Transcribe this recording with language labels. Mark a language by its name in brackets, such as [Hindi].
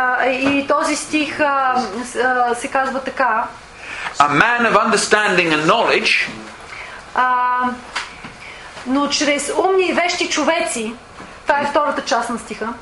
[Bulgarian] И този стих се казва така. [English] A man of understanding and knowledge. [Bulgarian] Но чрез умни и вещи човеци, това е втората част на стиха.